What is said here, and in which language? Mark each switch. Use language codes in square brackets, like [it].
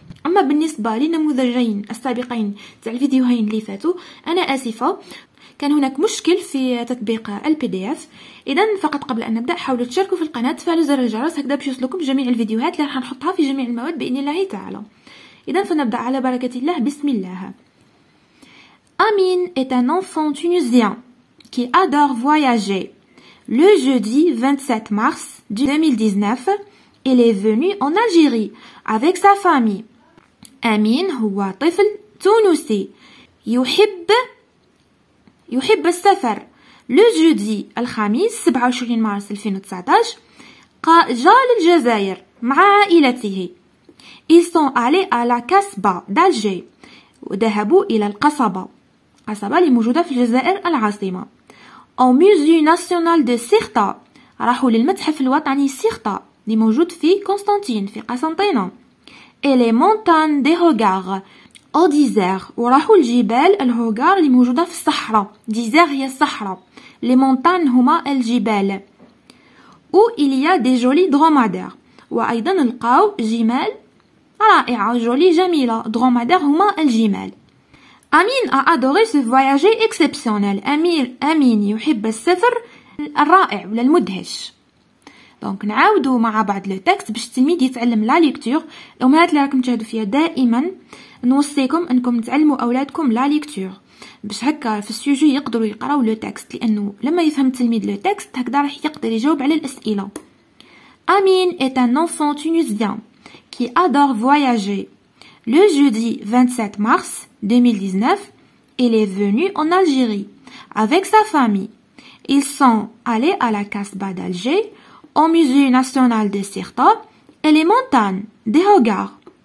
[ar] أما بالنسبة لنموذجين السابقين تاع الفيديوهين اللي فاتوا، أنا آسفة كان هناك مشكل في تطبيق PDF. إذا فقط قبل أن نبدأ حاولوا تشاركوا في القناة، فعلوا زر الجرس، هكذا باش يوصلكم جميع الفيديوهات اللي راح نحطها في جميع المواد بإذن الله تعالى. إذا فنبدأ على بركة الله. بسم الله. [fr] أمين est un enfant tunisien qui adore voyager. Le jeudi 27 mars 2019, il est venu en Algérie avec sa famille. [ar] أمين هو طفل تونسي يحب السفر. [fr] Le jeudi [ar] الخميس 27 مارس 2019 جاء للجزائر مع عائلته. [fr] Ils sont allés à la Casba d'Alger. [ar] وذهبوا إلى القصبة. قصبة اللي موجودة في الجزائر العاصمة. Au musée national de Sirta. راحوا للمتحف الوطني سيرتا اللي موجود في قسنطين في قسنطينة. [fr] Et les montagnes de Hogar. Au désert. [ar] وراحوا الجبال الهوغار اللي موجودة في الصحراء. ديزير هي الصحراء. [fr] Les montagnes [ar] هما الجبال. [fr] Où il y a des jolis dromadaires. [ar] وأيضا لقاو جمال رائعة جولي جميلة. دروماديغ هما الجمال. [fr] أمين a adoré ce voyage exceptionnel. [ar] أمين يحب السفر الرائع ولا المدهش. دونك نعاودو مع بعض لو تكست باش التلميذ يتعلم لا ليكتور. الأمهات اللي راكم تشاهدوا فيها دائما نوصيكم أنكم تعلموا أولادكم لا ليكتور باش هكا في السوجي يقدروا يقراو لو تكست، لأنه لما يفهم التلميذ لو تكست هكذا راح يقدر يجاوب على الأسئلة. [fr] أمين est un enfant tunisien qui adore voyager. Le jeudi 27 mars 2019, il est venu en Algérie avec sa famille. Ils sont allés à la Casbah d'Alger, au musée national de Sirta et les montagnes des Hogar.